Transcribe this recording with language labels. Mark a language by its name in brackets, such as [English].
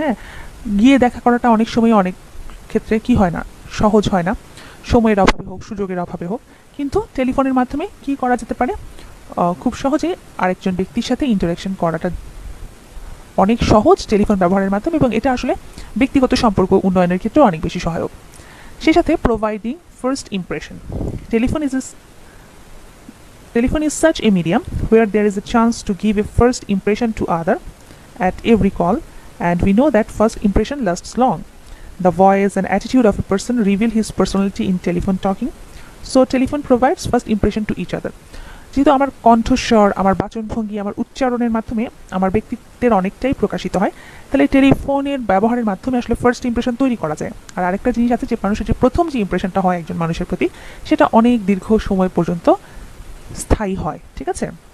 [Bangla] হ্যাঁ, গিয়ে দেখা করাটা অনেক সময় অনেক ক্ষেত্রে কী হয় না, সহজ হয় না, সময়ের অভাবে হোক, সুযোগের অভাবে হোক, কিন্তু টেলিফোনের মাধ্যমে কী করা যেতে পারে, খুব সহজে আরেকজন ব্যক্তির সাথে ইন্টারাকশন করাটা অনেক সহজ টেলিফোন ব্যবহারের মাধ্যমে, এবং এটা আসলে ব্যক্তিগত সম্পর্ক উন্নয়নের ক্ষেত্রে অনেক বেশি সহায়ক। সেই সাথে [English] Providing first impression, telephone is such a medium where there is a chance to give a first impression to other at every call, and we know that first impression lasts long. The voice and attitude of a person reveal his personality in telephone talking. So telephone provides first impression to each other. [Bangla] যেহেতু আমার কণ্ঠস্বর, আমার বাচনভঙ্গি, আমার উচ্চারণের মাধ্যমে আমার ব্যক্তিত্বের অনেকটাই প্রকাশিত হয়, তাহলে টেলিফোনের ব্যবহারের মাধ্যমে আসলে ফার্স্ট ইম্প্রেশন তৈরি করা যায়। আর আরেকটা জিনিস আছে, যে মানুষের যে প্রথম যে ইম্প্রেশনটা হয় একজন মানুষের প্রতি, সেটা অনেক দীর্ঘ সময় পর্যন্ত স্থায়ী হয়, ঠিক আছে।